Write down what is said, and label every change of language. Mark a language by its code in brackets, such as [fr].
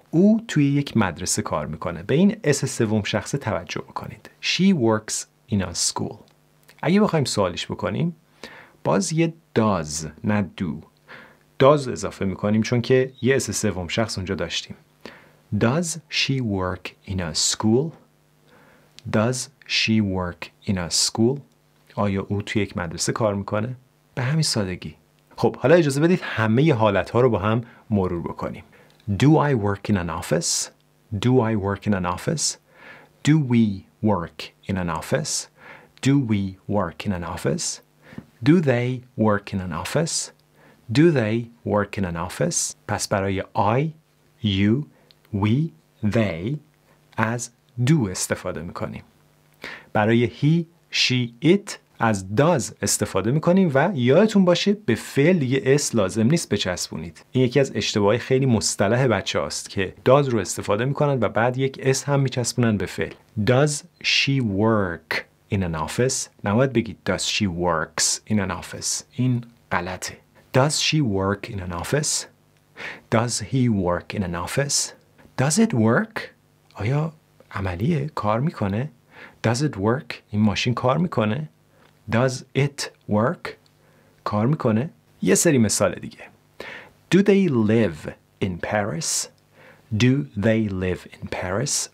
[fa] او توی یک مدرسه کار میکنه. به این اس سوم شخص توجه بکنید. [en] She works in a school. [fa] اگه بخوایم سوالش بکنیم باز یه does نه do. Does اضافه میکنیم چون که یه اس سوم شخص اونجا داشتیم. [en] Does she work in a school? Does she work in a school? [fa] آیا او توی یک مدرسه کار میکنه؟ به همین سادگی. خب حالا اجازه بدید همه ی حالت ها رو با هم مرور بکنیم. [en] Do I work in an office? Do I work in an office? Do we work in an office? Do we work in an office? Do they work in an office? Do they work in an office? [fa] پس برای I, you, we, they از do استفاده میکنیم. برای he, she, it از does استفاده میکنیم و یادتون باشه به فعل دیگه اس لازم نیست بچسبونید. این یکی از اشتباهی خیلی مصطلح بچه هاست که does رو استفاده میکنن و بعد یک اس هم میچسبونن به فعل. [en] Does she work in an office؟ [fa] نباید بگید [en] does she works in an office. [fa] این غلطه. [en] Does she work in an office? Does he work in an office? Does it work? [fa] آیا عملیه؟ کار میکنه؟ [en] Does it work? [fa] این ماشین کار میکنه؟ [en] Does it work? [fa] کار میکنه؟ یه سری مثال دیگه. [en] Do they live in Paris? Do they live in Paris?